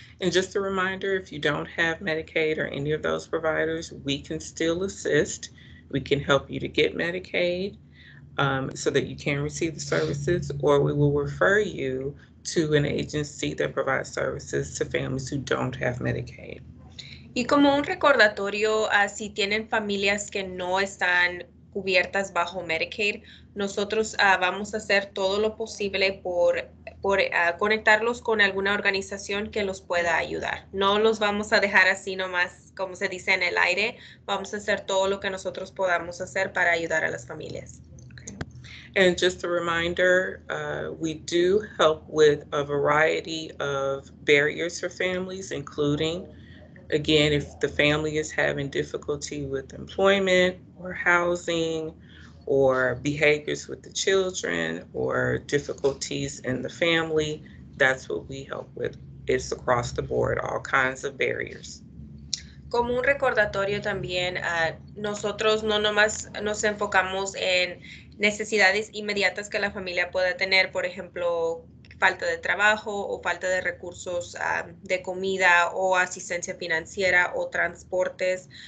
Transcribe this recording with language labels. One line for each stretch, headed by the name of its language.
English: And just a reminder, if you don't have Medicaid or any of those providers, we can still assist. We can help you to get Medicaid so that you can receive the services, or we will refer you to an agency that provides services to families who don't have Medicaid.
Spanish: Y como un recordatorio, si tienen familias que no están cubiertas bajo Medicaid, nosotros vamos a hacer todo lo posible por conectarlos con alguna organización que los pueda ayudar. No los vamos a dejar así nomás, como se dice, en el aire. Vamos a hacer todo lo que nosotros podamos hacer para ayudar a las familias. Okay.
English: And just a reminder, we do help with a variety of barriers for families, including, again, if the family is having difficulty with employment or housing or behaviors with the children or difficulties in the family, that's what we help with. It's across the board, all kinds of barriers.
Spanish: Como un recordatorio también, nosotros no nomás nos enfocamos en necesidades inmediatas que la familia pueda tener, por ejemplo, falta de trabajo o falta de recursos de comida o asistencia financiera o transportes.